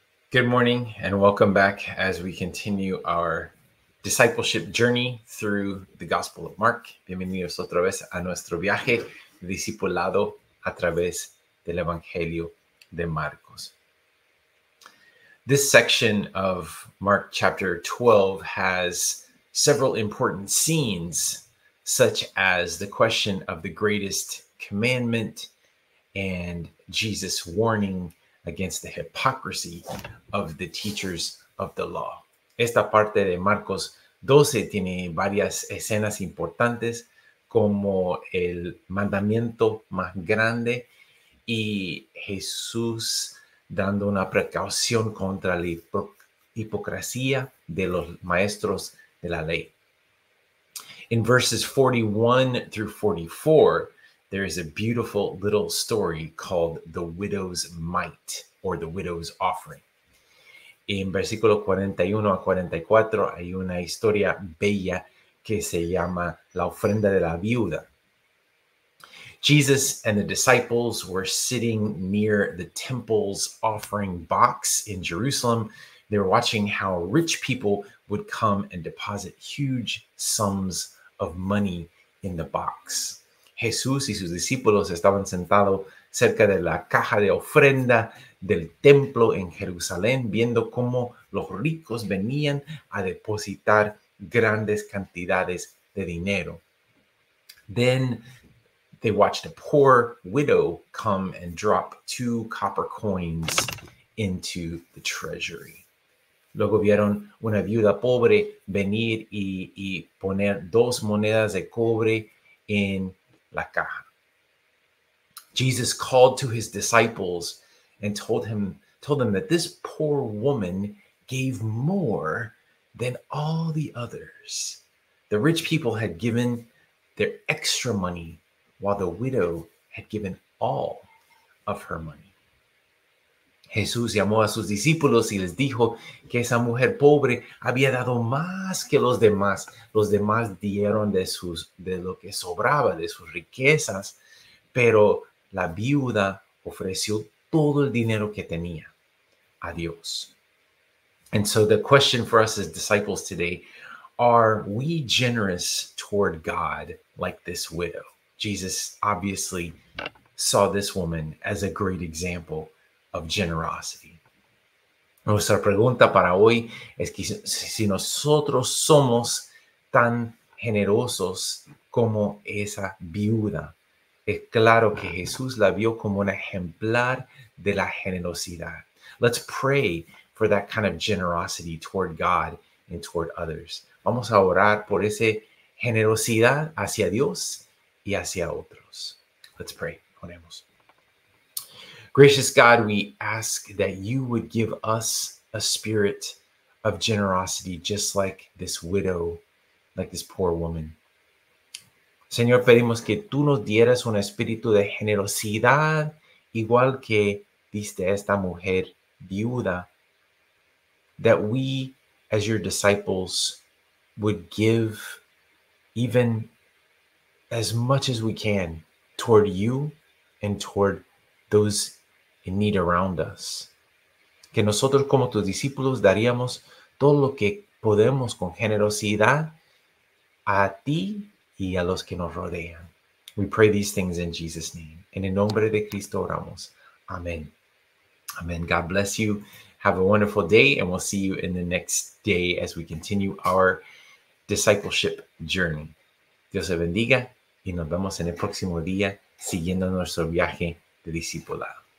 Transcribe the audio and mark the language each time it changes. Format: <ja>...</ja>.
<en>Good morning and welcome back as we continue our discipleship journey through the Gospel of Mark.</en> <es>Bienvenidos otra vez a nuestro viaje discipulado a través del Evangelio de Marcos.</es> <en>This section of Mark chapter 12 has several important scenes, such as the question of the greatest commandment and Jesus' warning against the hypocrisy of the teachers of the law.</en> <es>Esta parte de Marcos 12 tiene varias escenas importantes, como el mandamiento más grande y Jesús dando una precaución contra la hipocresía de los maestros de la ley.</es> <en>In verses 41 through 44, there is a beautiful little story called the widow's mite, or the widow's offering.</en> <es>En versículo 41 a 44 hay una historia bella que se llama la ofrenda de la viuda.</es> <en>Jesus and the disciples were sitting near the temple's offering box in Jerusalem. They were watching how rich people would come and deposit huge sums of money in the box.</en> <es>Jesús y sus discípulos estaban sentados cerca de la caja de ofrenda del templo en Jerusalén, viendo cómo los ricos venían a depositar grandes cantidades de dinero.</es> <en>Then they watched a poor widow come and drop 2 copper coins into the treasury.</en> <es>Luego vieron una viuda pobre venir y poner 2 monedas de cobre en la caja.</es> <en>Jesus called to his disciples and told them that this poor woman gave more than all the others. The rich people had given their extra money, while the widow had given all of her money.</en> <es>Jesús llamó a sus discípulos y les dijo que esa mujer pobre había dado más que los demás. Los demás dieron de lo que sobraba, de sus riquezas, pero la viuda ofreció todo el dinero que tenía a Dios.</es> <en>And so the question for us as disciples today, are we generous toward God like this widow? Jesus obviously saw this woman as a great example of generosity.</en> <es>Nuestra pregunta para hoy es que si nosotros somos tan generosos como esa viuda. Es claro que Jesús la vio como un ejemplar de la generosidad.</es> <en>Let's pray for that kind of generosity toward God and toward others.</en> <es>Vamos a orar por esa generosidad hacia Dios y hacia otros.</es> <en>Let's pray.</en> <es>Oremos.</es> <en>Gracious God, we ask that you would give us a spirit of generosity, just like this widow, like this poor woman.</en> <es>Señor, pedimos que tú nos dieras un espíritu de generosidad, igual que diste esta mujer viuda,</es> <en>that we, as your disciples, would give even as much as we can toward you and toward those in need around us.</en> <es>Que nosotros como tus discípulos daríamos todo lo que podemos con generosidad a ti y a los que nos rodean.</es> <en>We pray these things in Jesus' name.</en> <es>En el nombre de Cristo oramos. Amén.</es> <en>Amén. God bless you. Have a wonderful day, and we'll see you in the next day as we continue our discipleship journey.</en> <es>Dios te bendiga. Y nos vemos en el próximo día siguiendo nuestro viaje de discipulado.</es>